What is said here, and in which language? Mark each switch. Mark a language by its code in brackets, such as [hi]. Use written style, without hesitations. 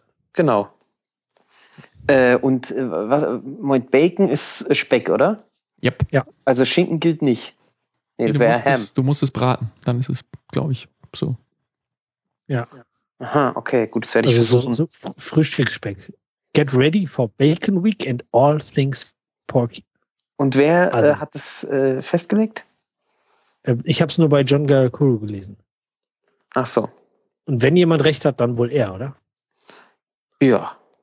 [de] an. Genau. Moment, Bacon ist Speck, oder? [en] Yep. [de] Ja. Also Schinken gilt nicht. Nee, das wäre Ham. Du musst es braten. Dann ist es, glaube ich, so. Ja. Aha, okay, gut, das werde ich versuchen. So Frühstücksspeck. [en] Get ready for Bacon Week and all things porky. [de] Und wer hat das festgelegt? Ich habe es nur bei John Garakuru gelesen. Ach so. Und wenn jemand recht hat, dann wohl er, oder? Ja.